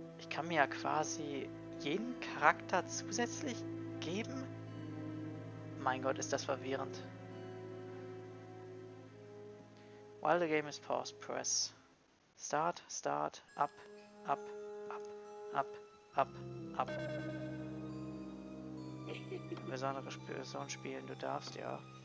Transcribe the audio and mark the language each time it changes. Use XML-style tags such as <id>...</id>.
<de>Kann mir ja quasi jeden Charakter zusätzlich geben. Mein Gott, ist das verwirrend.</de> <en>While the game is paused, press start, start, up, up, up, up, up, up.</en> <de>Besondere Person spielen, du darfst, ja.</de>